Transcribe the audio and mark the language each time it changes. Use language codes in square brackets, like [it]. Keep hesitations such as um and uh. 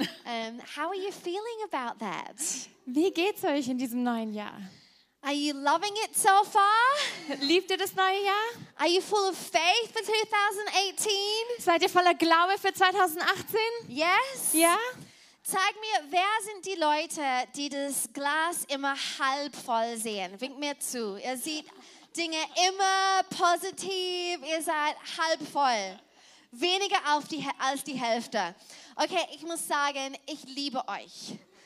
[en] Um, how are you feeling about that? [de] Wie geht's euch in diesem neuen Jahr? [en] Are you loving it so far? [de] Liebt ihr das neue Jahr? [en] Are you full of faith for 2018? [de] Seid ihr voller Glaube für 2018? [en] Yes. [de] Ja? Zeig mir, wer sind die Leute, die das Glas immer halb voll sehen? Wink mir zu. Ihr seht Dinge immer positiv, ihr seid halb voll. Weniger die, als die Hälfte. Okay, ich muss sagen, ich liebe euch.